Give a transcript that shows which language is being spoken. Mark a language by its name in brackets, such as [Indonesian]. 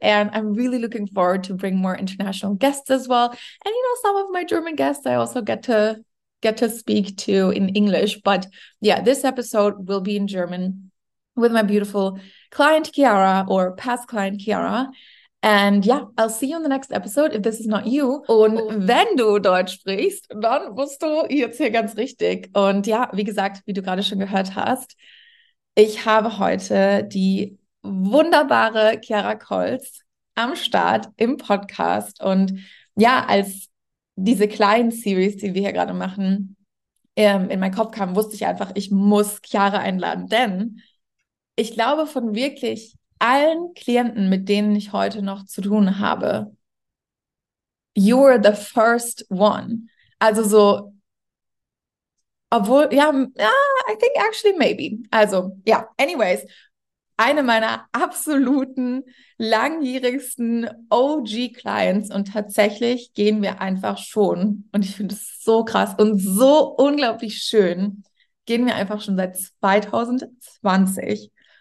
[English] And I'm really looking forward to bring more international guests as well. And, you know, some of my German guests, I also get to speak to in English. But yeah, this episode will be in German with my beautiful client Chiara, or past client Chiara. And yeah, I'll see you in the next episode if this is not you. [German] Und wenn du Deutsch sprichst, dann bist du jetzt hier ganz richtig. Und ja, wie gesagt, wie du gerade schon gehört hast, ich habe heute die wunderbare Chiara Kolz am Start im Podcast. Und ja, als diese kleinen Series, die wir hier gerade machen, in meinen Kopf kam, wusste ich einfach, ich muss Chiara einladen. Denn ich glaube, von wirklich allen Klienten, mit denen ich heute noch zu tun habe, [English] you're the first one. [German] Also so, obwohl, ja, [English] I think actually maybe. [German] Also, ja, anyways, eine meiner absoluten, langjährigsten OG-Clients, und tatsächlich gehen wir einfach schon, und ich finde es so krass und so unglaublich schön, gehen wir einfach schon seit 2020.